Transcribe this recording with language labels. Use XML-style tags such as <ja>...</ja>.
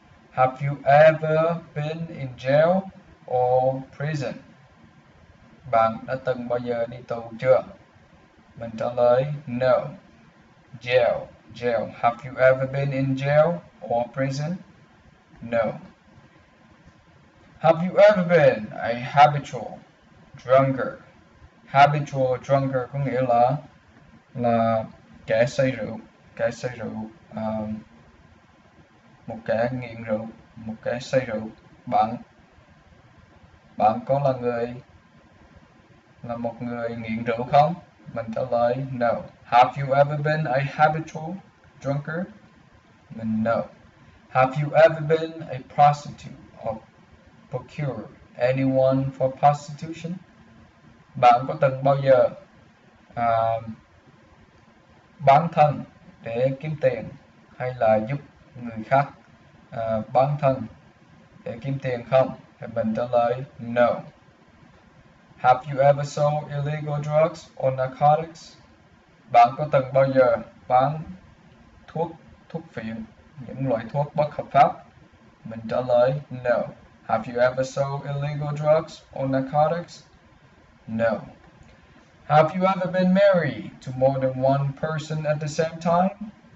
<en>Have you ever been in jail or prison?</en> <vi>Bạn đã từng bao giờ đi tù chưa? Mình trả lời no. Jail, jail.</vi> <en>Have you ever been in jail or prison? No. Have you ever been a habitual drunkard?</en> <vi>Habitual drunkard có nghĩa là kẻ say rượu, kẻ say rượu, một kẻ nghiện rượu, một kẻ say rượu. Bạn bạn có là người là một người nghiện rượu không? Mình trả lời</vi> <en>no. Have you ever been a habitual drunkard? Mình no. Have you ever been a prostitute or procure anyone for prostitution?</en> <vi>Bạn có từng bao giờ bán thân để kiếm tiền hay là giúp người khác bán thân để kiếm tiền không? Thì mình trả lời no.</vi> <en>Have you ever sold illegal drugs or narcotics?</en> <vi>Bạn có từng bao giờ bán thuốc thuốc phiện, những loại thuốc bất hợp pháp? Mình trả lời no.</vi> <en>Have you ever sold illegal drugs or narcotics? No. Have you ever been married to more than one person at the same time?</en>